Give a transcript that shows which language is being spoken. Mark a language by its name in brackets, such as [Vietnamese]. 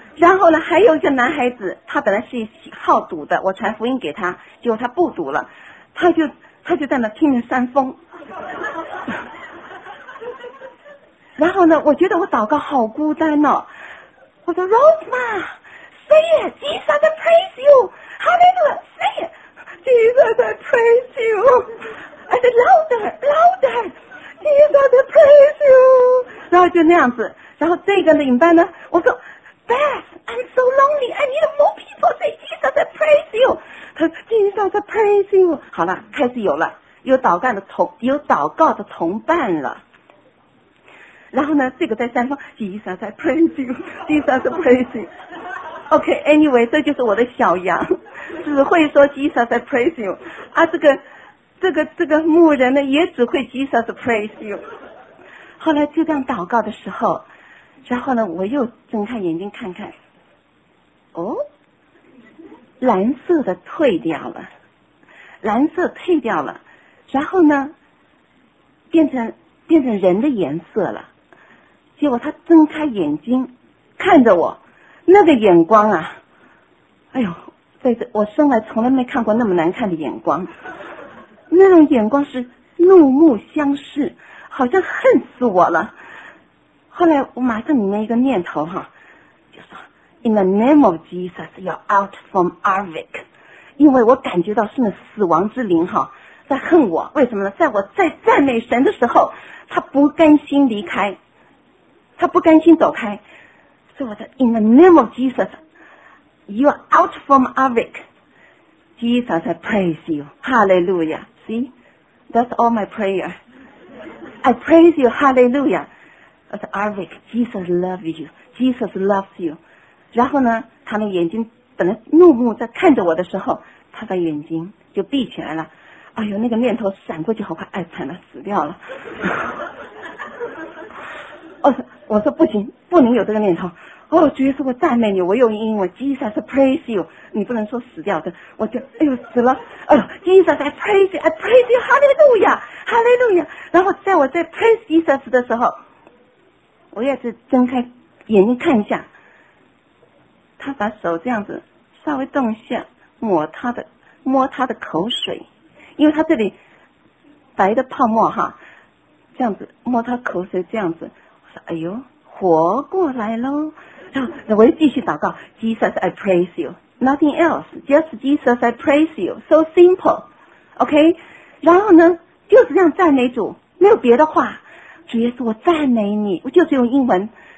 [Chinese] 然后呢还有一个男孩子，他本来是好赌的，我传福音给他，结果他不赌了，他就在那拼命扇风。然后呢我觉得我祷告好孤单哦，我说 [English] Rosma say it， Jesus I praise you， Hallelujah， say it， Jesus I praise you， I said louder louder， Jesus I praise you。 [Chinese] 然后就那样子。然后这个领班呢，我说 [English] Beth, I'm so lonely, I need more people say Jesus I praise you， [Chinese] 他说 [English] Jesus I praise you。 [Chinese] 好了，开始有了有祷告的同伴了。然后呢这个在山上 [English] Jesus I praise you， Jesus I praise you， OK anyway， [Chinese] 这就是我的小羊只会说 [English] Jesus I praise you， [Chinese] 啊这个牧人呢也只会 Jesus I praise you。后来就这样祷告的时候，然后呢我又睁开眼睛看看，哦，蓝色的退掉了，蓝色退掉了，然后呢变成人的颜色了。结果他睁开眼睛看着我，那个眼光啊，哎呦，在这我生来从来没看过那么难看的眼光，那种眼光是怒目相视，好像恨死我了。后来我马上里面一个念头哈，就说 [English] In the name of Jesus you're out from Arvik， [Chinese] 因为我感觉到是那死亡之灵哈在恨我。为什么呢？在我在赞美神的时候他不甘心离开，他不甘心走开，所以我说 [English] In the name of Jesus you're out from Arvik， Jesus I praise you， Hallelujah， See that's all my prayer， I praise you， Hallelujah。 [Chinese] 我说 [English] Arvik， Jesus loves you， Jesus loves you。 [Chinese] 然后呢他的眼睛本来怒目在看着我的时候，他的眼睛就闭起来了。哎呦，那个念头闪过去好快，哎惨了，死掉了。我说不行，不能有这个念头。哦，主耶稣我赞美你，我用英文 [English] Jesus I praise you， [Chinese] 你不能说死掉的。我就哎呦死了，哎呦 [English] Jesus I praise you， I praise you， Hallelujah， Hallelujah。 [Chinese] 然后在我在 [English] praise Jesus [Chinese] 的时候，我也是睁开眼睛看一下，他把手这样子稍微动一下，抹他的口水，因为他这里白的泡沫哈，这样子摸他口水这样子，我说哎呦活过来咯，那我又继续祷告 [English] Jesus I praise you nothing else just Jesus I praise you so simple OK [Chinese] 然后呢就是这样赞美主，没有别的话，主耶稣我赞美你，我就是用英文。